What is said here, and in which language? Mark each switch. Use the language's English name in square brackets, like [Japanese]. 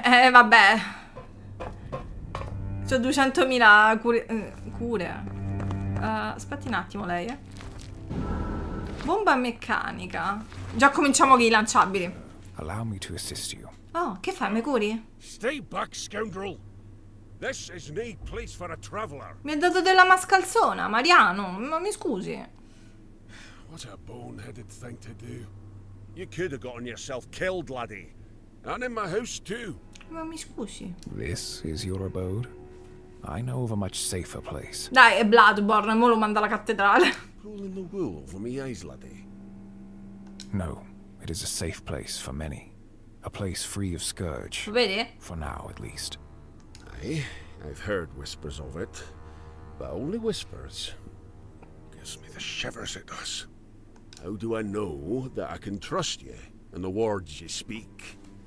[Italian] Vabbè. C'ho 200.000 cure. Aspetti un attimo, lei. Bomba meccanica. Già cominciamo con i lanciabili. [English] Allow me to assist you. [Italian] Oh, che fai, me curi? [English] Stay back, scoundrel. This is no place for a traveler. [Italian] Mi ha dato della mascalzona, Mariano. Ma mi scusi. [English] What a boneheaded thing to do. You could have gotten yourself killed, laddie. And in my house, too. [Italian] Ma mi scusi. [English] This is your abode? I know of a much safer place. [Italian] Dai, è Bloodborne, mo lo manda alla cattedrale. [English] Pulling the wool over my eyes, laddie. No, it is a safe place for many. A place free of scourge. [Italian] Vedi? [English] For now, at least. Aye, I've heard whispers of it. But only whispers. Gives me the shivers it does. How do I know that I can trust you and the words you speak?